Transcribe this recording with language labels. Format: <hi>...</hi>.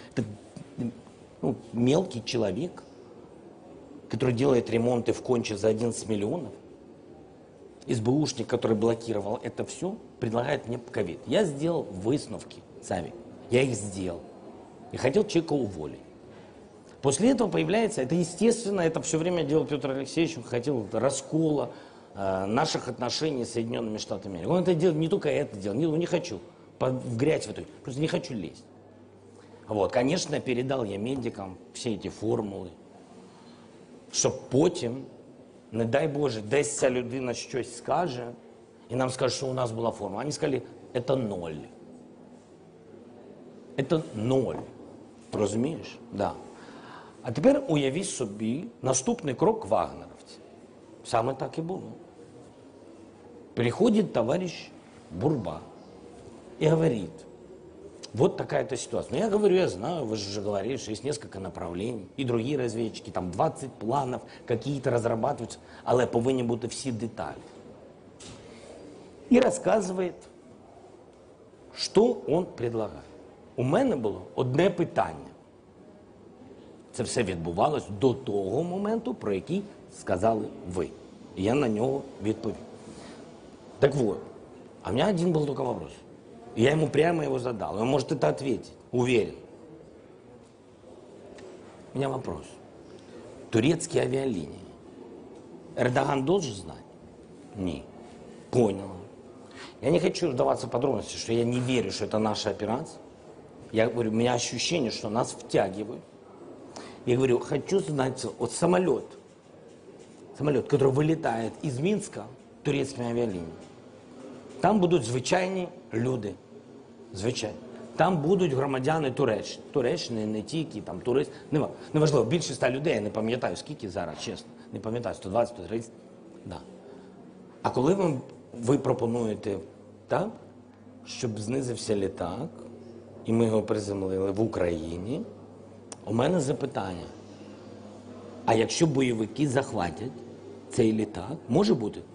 <uk>Це ну, мелкий чоловік, який робить ремонти в Конче за 11 мільйонів, СБУшник, який блокував це все, предлагає мені ковід. Я зробив висновки, Цавік, я їх зробив. І хотів чоловіка уволити. Після цього з'являється, це, звісно, це все время робив Петр Олексійович, хотів розколу наших отношений з Соединенными Штатами Америки.</uk> <ru>Он это делает, не только это делал, не хочу в грязь в эту, просто не хочу лезть. Вот, конечно, передал я медикам все эти формулы, чтобы потом, не дай Боже, десь ця людина щось скаже, и нам скажут, что у нас была формула. Они сказали, это ноль. Это ноль. Розумієш? Да.</ru> <uk>А тепер уяви собі наступний крок вагнеровці. Саме так і було.</uk> <ru>Приходит товарищ Бурба и говорит, вот такая-то ситуация. Но я говорю, я знаю, вы же говорили, что есть несколько направлений, и другие разведчики, там 20 планов какие-то разрабатываются, але повинні бути всі деталі. И рассказывает, что он предлагает.</ru> <uk>У мене було одне питання. Це все відбувалось до того моменту, про який сказали ви. І я на нього відповів.</uk> <ru>Так вот, а у меня один был только вопрос. И я ему прямо его задал. Он может это ответить, уверен. У меня вопрос. Турецкие авиалинии. Эрдоган должен знать? Не. Понял. Я не хочу вдаваться в подробности, что я не верю, что это наша операция. Я говорю, у меня ощущение, что нас втягивают. Я говорю, хочу знать, вот самолет. Самолет, который вылетает из Минска турецкими авиалиниями.</ru> <uk>Там будуть звичайні люди, звичайні. Там будуть громадяни Туреччини. Туреччини, не тільки, там турист. Неважливо, більше 100 людей, я не пам'ятаю, скільки зараз, чесно. Не пам'ятаю, 120, 130, да. А коли ви пропонуєте так, щоб знизився літак, і ми його приземлили в Україні, у мене запитання, а якщо бойовики захватять цей літак, може бути?</uk>